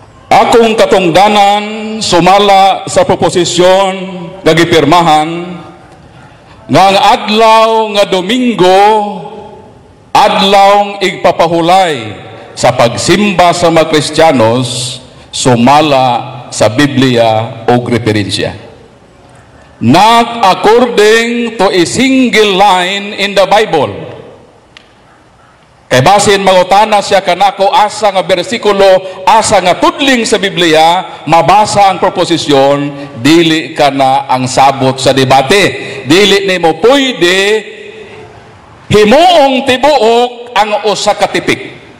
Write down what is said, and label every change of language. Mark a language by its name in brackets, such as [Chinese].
[Cebuano] Akong katungdanan sumala sa proposisyon nga gipirmahan nga ang adlaw nga Domingo adlawng igpapahulay sa pagsimba sa mga Kristiyanos sumala sa Biblia o referensya. [English] Not according to a single line in the Bible. [Cebuano] Kay basin mangutana siya kanako asa nga bersikulo, asa nga tudling sa Biblia, mabasa ang proposisyon, dili kana ang sabot sa debate. Dili nimo pwede himuong tibuok ang usa ka tipik.